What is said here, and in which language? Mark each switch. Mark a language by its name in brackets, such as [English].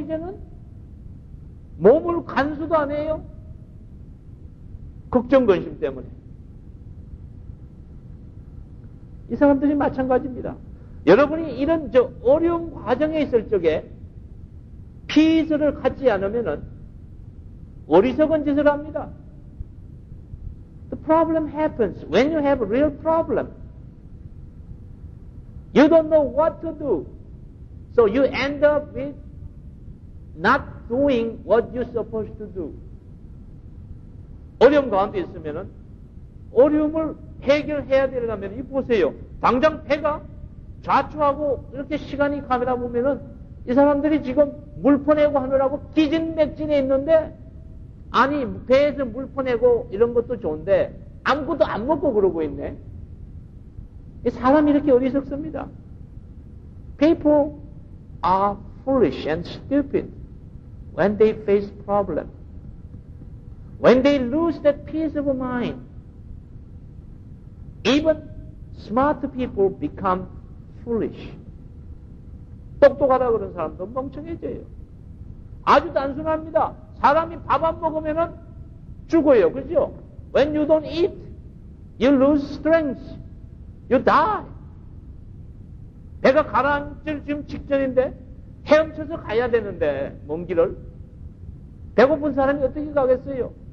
[Korean] 이제는 몸을 간수도 안 해요. 걱정근심 때문에. 이 사람들이 마찬가지입니다. 여러분이 이런 저 어려운 과정에 있을 적에 피스를 갖지 않으면은 어리석은 짓을 합니다. [English] The problem happens when you have a real problem. You don't know what to do. So you end up with not doing what you're supposed to do. [Korean] 어려움 가운데 있으면 어려움을 해결해야 되려면 이 보세요. 당장 배가 좌초하고 이렇게 시간이 가면 보면 이 사람들이 지금 물 퍼내고 하느라고 기진맥진해 있는데 아니 배에서 물 퍼내고 이런 것도 좋은데 아무것도 안 먹고 그러고 있네. 사람이 이렇게 어리석습니다. [English] People are foolish and stupid when they face problems. When they lose that peace of mind, even smart people become foolish. [Korean] 똑똑하다 그런 사람도 멍청해져요. 아주 단순합니다. 사람이 밥 안 먹으면 죽어요. 그죠? [English] When you don't eat, you lose strength. You die. [Korean] 배가 가라앉을 지금 직전인데 헤엄쳐서 가야 되는데 먼 길을 배고픈 사람이 어떻게 가겠어요?